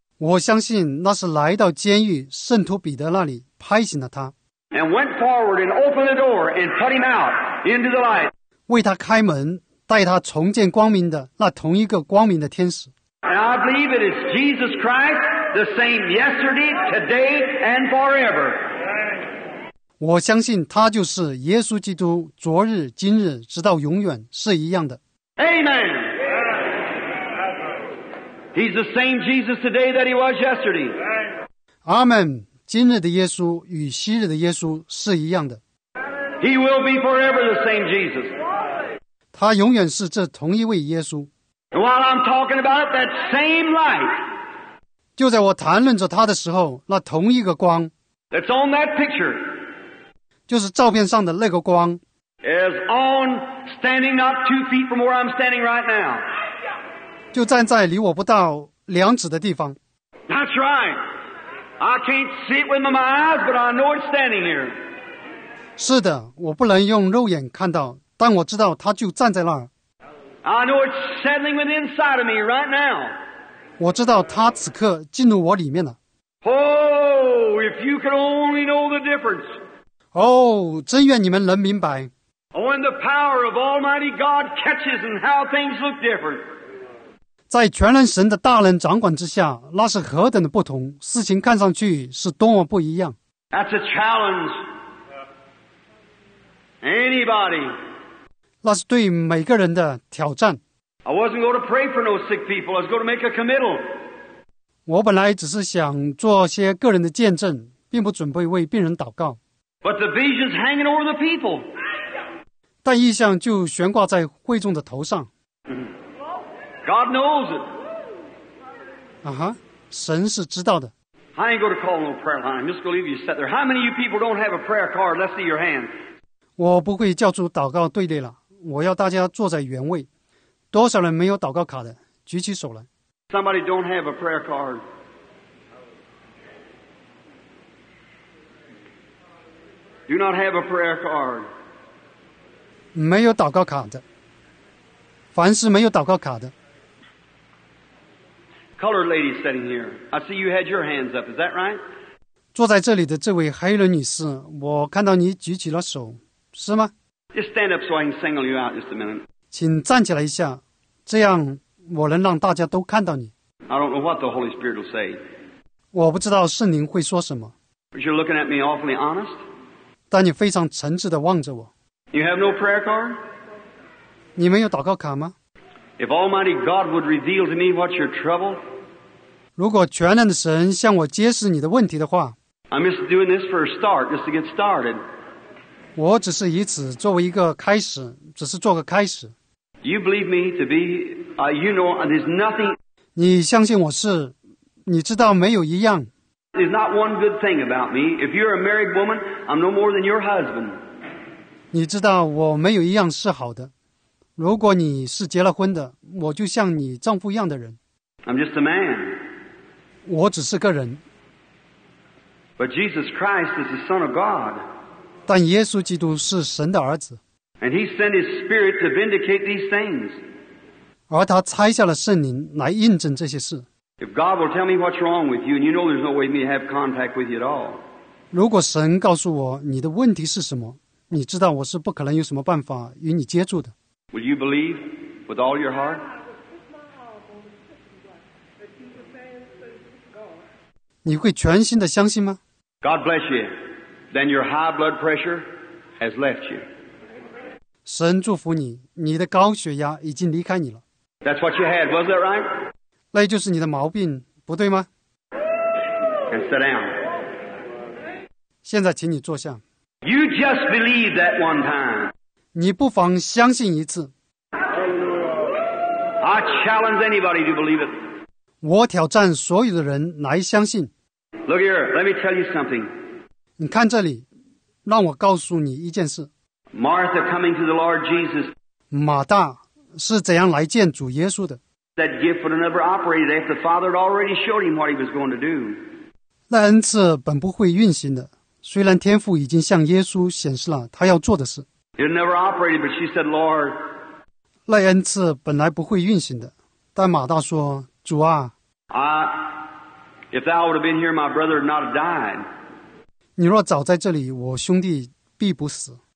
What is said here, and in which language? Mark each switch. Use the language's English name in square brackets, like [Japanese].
[Chinese] 我相信那是来到监狱圣徒彼得那里拍醒了他。 [English] And went forward and opened the door and put him out into the light. [Chinese] 为他开门，带他重见光明的那同一个光明的天使。 [English] And I believe it is Jesus Christ, the same yesterday, today, and forever. [Chinese] 我相信他就是耶稣基督，昨日、今日、直到永远是一样的。 [English] Amen. He's the same Jesus today that he was yesterday. Amen. [Chinese] 今日的耶稣与昔日的耶稣是一样的。 [English] He will be forever the same Jesus. [Chinese] 他永远是这同一位耶稣。 [English] While I'm talking about that same light, [Chinese] 就在我谈论着他的时候，那同一个光 [English] that's on that picture, [Chinese] 就是照片上的那个光 [English] is on standing not 2 feet from where I'm standing right now, [Chinese] 就站在离我不到2指的地方。 [English] That's right. I can't see it with my eyes, but I know it's standing here. [Chinese] 是的，我不能用肉眼看到。但我知道他就站在那儿。 [English] I know it's settling within inside of me right now. [Chinese] 我知道他此刻进入我里面了。 [English] Oh, if you could only know the difference. [Chinese] 哦，真愿你们能明白。 [English] When the power of Almighty God catches and how things look different. [Chinese] 在全能神的大能掌管之下，那是何等的不同，事情看上去是多么不一样。 [English] That's a challenge. Anybody. [Chinese] 那是对每个人的挑战。 [English] I wasn't going to pray for no sick people. I was going to make a committal. [Chinese] 我本来只是想做些个人的见证，并不准备为病人祷告。 [English] But the vision's hanging over the people. [Chinese] 但意象就悬挂在会众的头上。 [English] God knows it. [Chinese] 啊哈，神是知道的。 [English] I ain't going to call no prayer line. I'm just going to leave you sit there. How many of you people don't have a prayer card? Let's see your hand. [Chinese] 我不会叫出祷告队列了，我要大家坐在原位。多少人没有祷告卡的？举起手来。 [English] Somebody don't have a prayer card. Do not have a prayer card. [Chinese] 没有祷告卡的。凡是没有祷告卡的。 [English] Colored lady sitting here. I see you had your hands up. Is that right? [Chinese] 坐在这里的这位黑人女士，我看到你举起了手，是吗？ [English] Just stand up so I can single you out just a minute. [Chinese] 请站起来一下。这样我能让大家都看到你。 [English] I don't know what the Holy Spirit will say. [Chinese] 我不知道圣灵会说什么。 [English] But you're looking at me awfully honest. [Chinese] 但你非常诚挚地望着我。 [English] You have no prayer card? [Chinese] 你没有祷告卡吗？ [English] If Almighty God would reveal to me what's your trouble? [Chinese] 如果全能的神向我揭示你的问题的话。 [English] I'm just doing this for a start, just to get started. [Chinese] 我只是以此作为一个开始，只是做个开始。 [English] You believe me to be, you know, there's nothing. [Chinese] 你相信我是，你知道没有一样。 [English] There's not one good thing about me. If you're a married woman, I'm no more than your husband. [Chinese] 你知道我没有一样是好的。如果你是结了婚的，我就像你丈夫一样的人。 [English] I'm just a man. [Chinese] 我只是个人。 [English] But Jesus Christ is the Son of God. [Chinese] 但耶稣基督是神的儿子。 [English] And he sent his spirit to vindicate these things. [Chinese] 而他差下了圣灵来印证这些事。 [English] If God will tell me what's wrong with you, and you know there's no way me to have contact with you at all. [Chinese] 如果神告诉我你的问题是什么，你知道我是不可能有什么办法与你接触的。 [English] Will you believe with all your heart? [Chinese] 你会全心的相信吗？ [English] God bless you. Then your high blood pressure has left you. [Chinese] 神祝福你，你的高血压已经离开你了。 [English] That's what you had, wasn't that right? [Chinese] 那就是你的毛病，不对吗？ [English] And sit down. [Chinese] 现在请你坐下。 [English] You just believe that one time. [Chinese] 你不妨相信一次。 [English] I challenge anybody to believe it. [Chinese] 我挑战所有的人来相信。 [English] Look here, let me tell you something. [Chinese] 你看这里，让我告诉你一件事。 [English] Martha coming to the Lord Jesus. [Chinese] 马大是怎样来见主耶稣的？ [English] That gift would never operate if the Father had already showed him what he was going to do. [Chinese] 那恩赐本不会运行的，虽然天父已经向耶稣显示了他要做的事。 [English] It never operated, but she said, Lord. [Chinese] 那恩赐本来不会运行的，但马大说，主啊。 [English] If thou would have been here, my brother would not have died. [Chinese] 你若早在这里，我兄弟必不死。